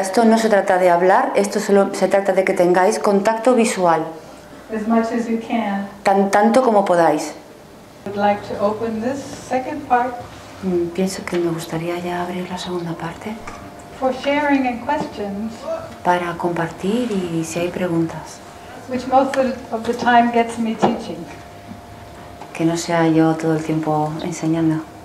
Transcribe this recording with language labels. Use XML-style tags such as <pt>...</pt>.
<es>Esto no se trata de hablar, esto solo se trata de que tengáis contacto visual.</es> <en>As much as you can.</en> <es>Tanto como podáis.</es> <en>I'd like to open this second part.</en> <es>Pienso que me gustaría ya abrir la segunda parte.</es> <en>For sharing and questions.</en> <es>Para compartir y si hay preguntas.</es> <en>Which most of the time gets me teaching.</en> <es>Que no sea yo todo el tiempo enseñando.</es>